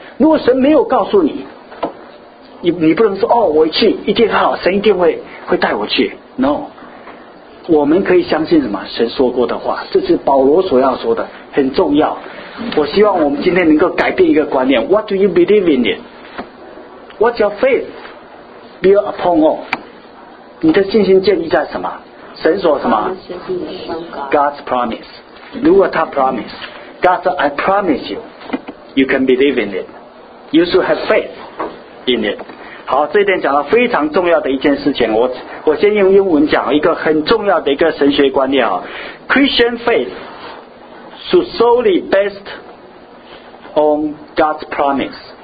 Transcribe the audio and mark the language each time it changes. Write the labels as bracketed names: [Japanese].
[Chinese] 如果神没有告诉你，你不能说哦，我去一定好，神一定会带我去。 No， 我们可以相信什么？神说过的话，这是保罗所要说的，很重要。我希望我们今天能够改变一个观念， [English] What do you believe in it? What's your faith built upon all? [Chinese] 你的信心建立在什么？神所什么 [English] God's promise。 [Chinese] 如果他 [English] promise， God said, I promise you， You can believe in it， You should have faith in it。 [Chinese] 好，这一点讲到非常重要的一件事情。我先用英文讲一个很重要的一个神学观念、哦、 [English] Christian faith should solely based on God's promise。